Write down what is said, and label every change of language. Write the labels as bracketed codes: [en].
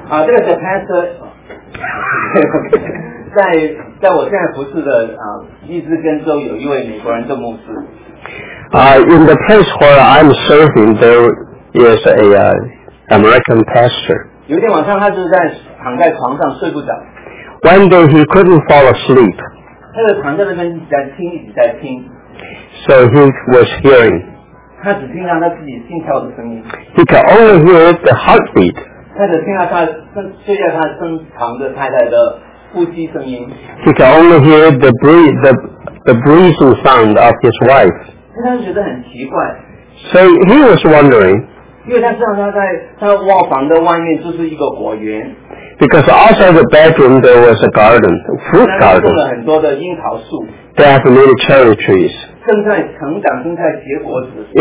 [en] There is a pastor [zh] 在我现在服侍的一直跟周有一位美国人的牧师。 [en] In the place where I'm serving, there is a American pastor. [zh] 有一天晚上，他就在躺在床上睡不着。 [en] One day he couldn't fall asleep. [zh] 他就躺在那边一直在听。 [en] So he was hearing. [zh] 他只听到他自己心跳的声音。 [en] He could only hear the heartbeat. [zh] 他只听到他身边他身旁的太太的呼吸声音。 [en] He can only hear the breathing sound of his wife. [zh] 他觉得很奇怪。 [en] So he was wondering. [zh] 因为他知道他在他卧房的外面就是一个果园。 [en] Because outside the bedroom there was a garden, a fruit garden. [zh] 那里种了很多的樱桃树。 [en] They have many cherry trees. [zh] 正在成长，正在结果子。 [en] It